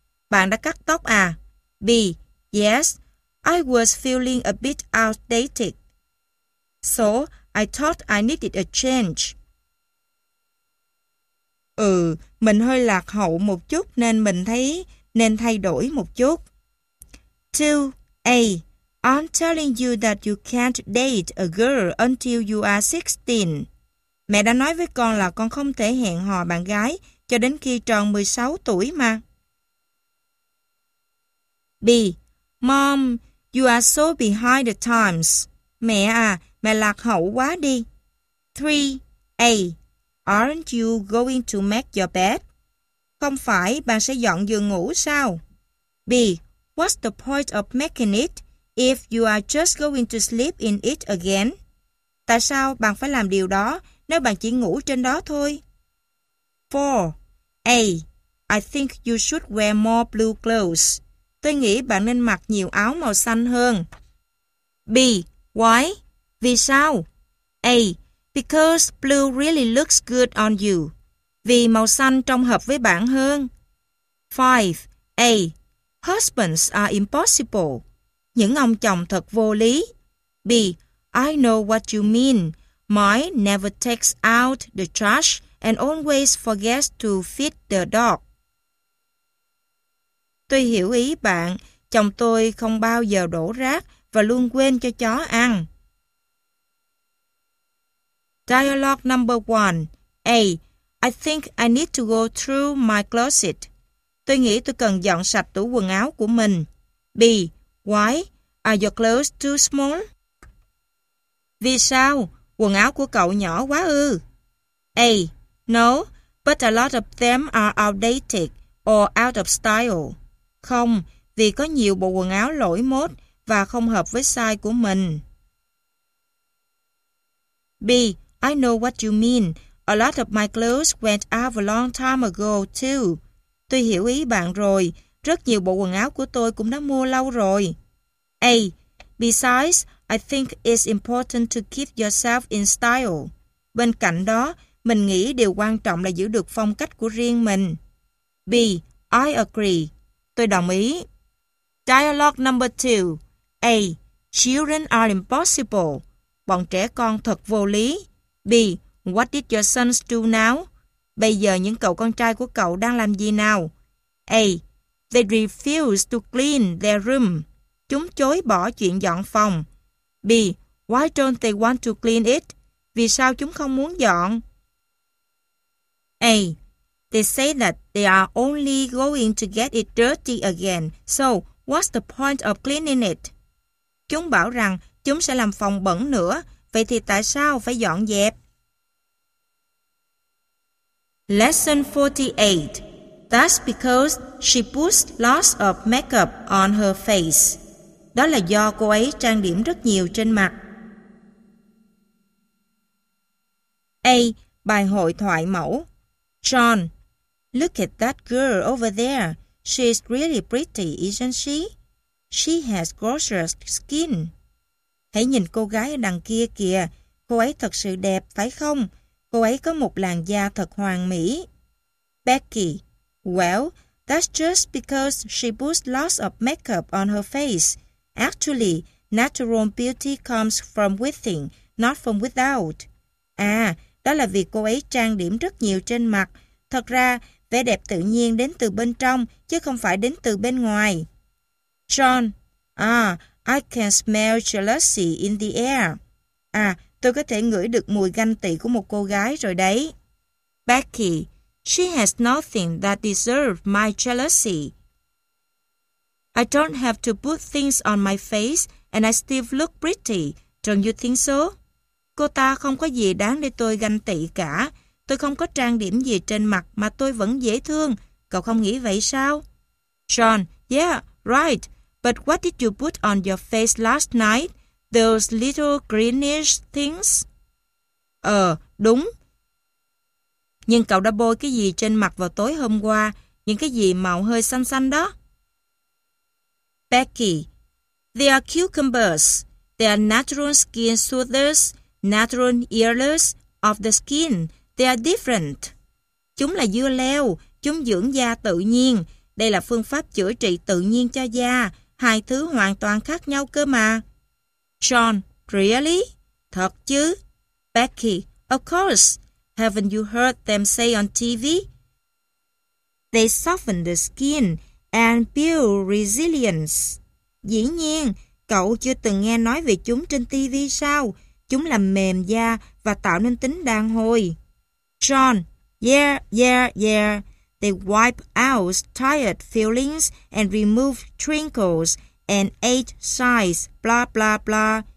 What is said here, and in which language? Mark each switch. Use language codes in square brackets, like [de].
[vi] Bạn đã cắt tóc à? [en] B. Yes. I was feeling a bit outdated. So, I thought I needed a change. [vi] Ừ, mình hơi lạc hậu một chút nên mình thấy nên thay đổi một chút. 2. A. [en] I'm telling you that you can't date a girl until you are 16. [vi] Mẹ đã nói với con là con không thể hẹn hò bạn gái cho đến khi tròn 16 tuổi mà. [en] B. Mom, you are so behind the times. [vi] Mẹ à, mẹ lạc hậu quá đi. [en] 3. A. Aren't you going to make your bed? [vi] Không phải bạn sẽ dọn giường ngủ sao? B. [en] What's the point of making it if you are just going to sleep in it again? [vi] Tại sao bạn phải làm điều đó nếu bạn chỉ ngủ trên đó thôi? 4. A. [en] I think you should wear more blue clothes. [vi] Tôi nghĩ bạn nên mặc nhiều áo màu xanh hơn. [en] B. Why? [vi] Vì sao? [en] A. Because blue really looks good on you. [vi] Vì màu xanh trông hợp với bạn hơn. [en] 5. A. Husbands are impossible. [vi] Những ông chồng thật vô lý. [en] B. I know what you mean. Mine never takes out the trash and always forgets to feed the dog. [vi] Tôi hiểu ý bạn. Chồng tôi không bao giờ đổ rác và luôn quên cho chó ăn. [en] Dialogue number one. A. I think I need to go through my closet. [vi] Tôi nghĩ tôi cần dọn sạch tủ quần áo của mình. [en] B. Why? Are your clothes too small? [vi] Vì sao? Quần áo của cậu nhỏ quá ư? [en] A. No, but a lot of them are outdated or out of style. [vi] Không, vì có nhiều bộ quần áo lỗi mốt và không hợp với size của mình. [en] B. I know what you mean. A lot of my clothes went out a long time ago, too. [vi] Tôi hiểu ý bạn rồi. Rất nhiều bộ quần áo của tôi cũng đã mua lâu rồi. A. [en] Besides, I think it's important to keep yourself in style. [vi] Bên cạnh đó, mình nghĩ điều quan trọng là giữ được phong cách của riêng mình. [en] B. I agree. [vi] Tôi đồng ý. [en] Dialogue number two. A. Children are impossible. [vi] Bọn trẻ con thật vô lý. [en] B. What did your sons do now? [vi] Bây giờ những cậu con trai của cậu đang làm gì nào? [en] A. They refuse to clean their room. [vi] Chúng chối bỏ chuyện dọn phòng. [en] B. Why don't they want to clean it? [vi] Vì sao chúng không muốn dọn? A. [en] They say that they are only going to get it dirty again. So, what's the point of cleaning it? [vi] Chúng bảo rằng chúng sẽ làm phòng bẩn nữa. Vậy thì tại sao phải dọn dẹp? [en] Lesson 48. That's because she puts lots of makeup on her face. [vi] Đó là do cô ấy trang điểm rất nhiều trên mặt. [en] A. [vi] Bài hội thoại mẫu. [en] John. Look at that girl over there. She's really pretty, isn't she? She has gorgeous skin. [vi] Hãy nhìn cô gái ở đằng kia kìa. Cô ấy thật sự đẹp, phải không? Cô ấy có một làn da thật hoàn mỹ. [en] Becky. Well, that's just because she puts lots of makeup on her face. Actually, natural beauty comes from within, not from without. [vi] À, đó là vì cô ấy trang điểm rất nhiều trên mặt. Thật ra, vẻ đẹp tự nhiên đến từ bên trong, chứ không phải đến từ bên ngoài. [en] John. I can smell jealousy in the air. [vi] À, tôi có thể ngửi được mùi ganh tị của một cô gái rồi đấy. [en] Becky. She has nothing that deserves my jealousy. I don't have to put things on my face and I still look pretty. Don't you think so? [vi] Cô ta không có gì đáng để tôi ganh tị cả. Tôi không có trang điểm gì trên mặt mà tôi vẫn dễ thương. Cậu không nghĩ vậy sao? [en] John. Yeah, right. But what did you put on your face last night? Those little greenish things? [vi] Đúng. Nhưng cậu đã bôi cái gì trên mặt vào tối hôm qua? Những cái gì màu hơi xanh xanh đó? [en] Becky. They are cucumbers. They are natural skin soothers, natural healers of the skin. They are different. [vi] Chúng là dưa leo. Chúng dưỡng da tự nhiên. Đây là phương pháp chữa trị tự nhiên cho da. Hai thứ hoàn toàn khác nhau cơ mà. [en] John. Really? [vi] Thật chứ? [en] Becky. Of course. Haven't you heard them say on TV? They soften the skin and build resilience. [vi] Dĩ nhiên, cậu chưa từng nghe nói về chúng trên TV sao? Chúng làm mềm da và tạo nên tính đàn hồi. [en] John. Yeah. They wipe out tired feelings and remove wrinkles and age size, blah, blah, blah.